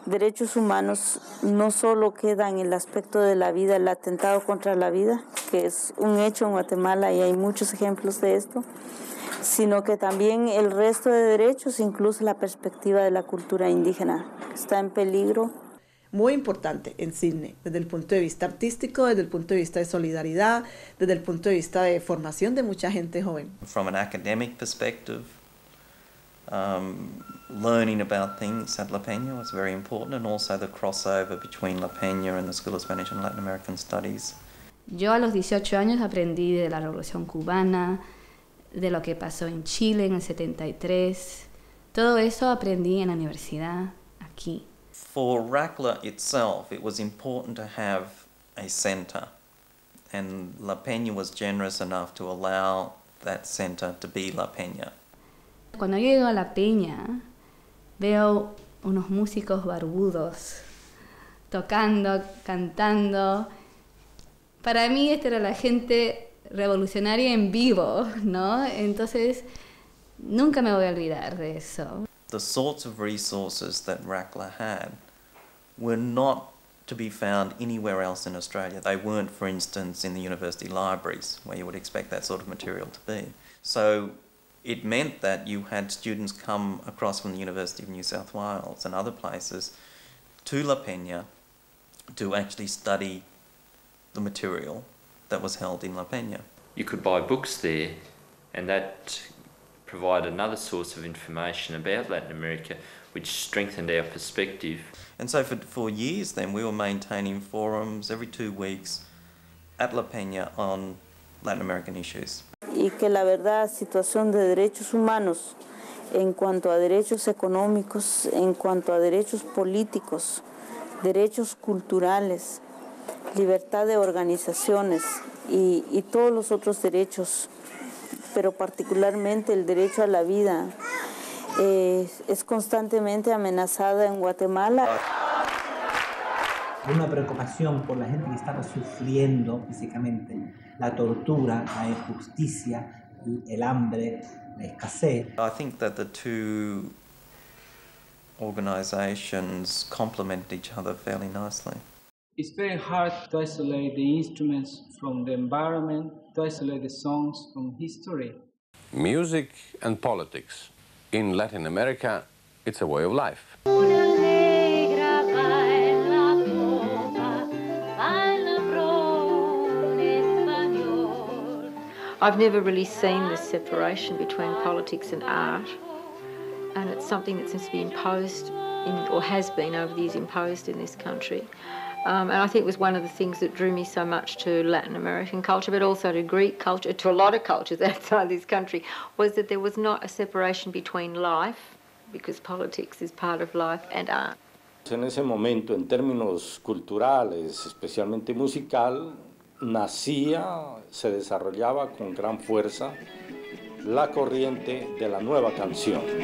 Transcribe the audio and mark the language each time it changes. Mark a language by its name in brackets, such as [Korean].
[Spanish] Derechos humanos no solo quedan en el aspecto de la vida, el atentado contra la vida, que es un hecho en Guatemala y hay muchos ejemplos de esto, sino que también el resto de derechos, incluso la perspectiva de la cultura indígena, está en peligro. Muy importante en Sydney, desde el punto de vista artístico, desde el punto de vista de solidaridad, desde el punto de vista de formación de mucha gente joven. [English] From an academic perspective, learning about things at La Peña was very important, and also the crossover between La Peña and the School of Spanish and Latin American Studies. [Spanish] Yo a los 18 años aprendí de la Revolución Cubana, de lo que pasó en Chile en el 73. Todo eso aprendí en la universidad aquí. [English] For RACLA itself, it was important to have a center, and La Peña was generous enough to allow that center to be La Peña. [Spanish] Cuando yo llego a La Peña, veo unos músicos barbudos tocando, cantando. Para mí, esta era la gente revolucionaria en vivo, ¿no? Entonces, nunca me voy a olvidar de eso. [English] The sorts of resources that RACLA had were not to be found anywhere else in Australia. They weren't, for instance, in the university libraries, where you would expect that sort of material to be. So it meant that you had students come across from the University of New South Wales and other places to La Peña to actually study the material that was held in La Peña. You could buy books there, and that provided another source of information about Latin America, which strengthened our perspective. And so for years then, we were maintaining forums every 2 weeks at La Peña on Latin American issues. [Spanish] Y que la verdad, situación de derechos humanos, en cuanto a derechos económicos, en cuanto a derechos políticos, derechos culturales, libertad de organizaciones y todos los otros derechos, pero particularmente el derecho a la vida, es constantemente amenazada en Guatemala. Una preocupación por la gente que estaba sufriendo físicamente la tortura, la injusticia, el hambre, la escasez. [English] I think that the two organizations complement each other fairly nicely. It's very hard to isolate the instruments from the environment, to isolate the songs from history. Music and politics. In Latin America, it's a way of life. I've never really seen this separation between politics and art, and it's something that seems to be imposed, or has been over the years imposed in this country. And I think it was one of the things that drew me so much to Latin American culture, but also to Greek culture, to a lot of cultures outside this country, was that there was not a separation between life, because politics is part of life, and art. [Spanish] En ese momento, en términos culturales, especialmente musical, nacía, se desarrollaba con gran fuerza la corriente de la nueva canción.